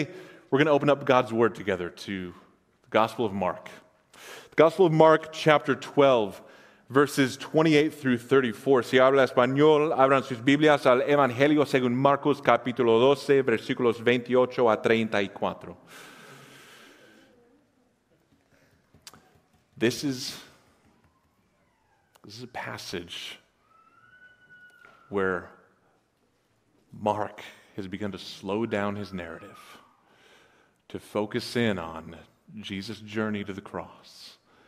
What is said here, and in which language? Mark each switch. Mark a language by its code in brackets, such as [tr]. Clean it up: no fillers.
[en] we're going to open up God's Word together to the Gospel of Mark. The Gospel of Mark, chapter 12, verses 28 through 34. [es] Si habla español, abran sus Biblias al Evangelio según Marcos, capítulo 12, versículos 28 a 34. [en] This is a passage where Mark has begun to slow down his narrative to focus in on Jesus' journey to the cross.